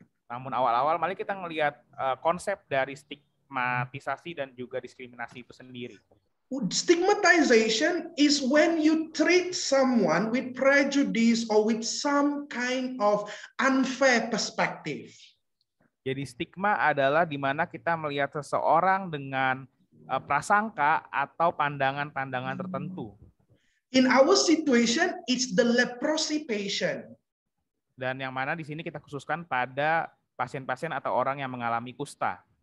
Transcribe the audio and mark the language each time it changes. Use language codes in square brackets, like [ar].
[id] Namun awal-awal mari kita melihat konsep dari stigmatisasi dan juga diskriminasi itu sendiri. [en] Stigmatization is when you treat someone with prejudice or with some kind of unfair perspective. [id] Jadi stigma adalah di mana kita melihat seseorang dengan prasangka atau pandangan-pandangan tertentu. [en] In our situation, it's the leprosy patient. [id] Dan yang mana di sini kita khususkan pada pasien-pasien atau orang yang mengalami kusta.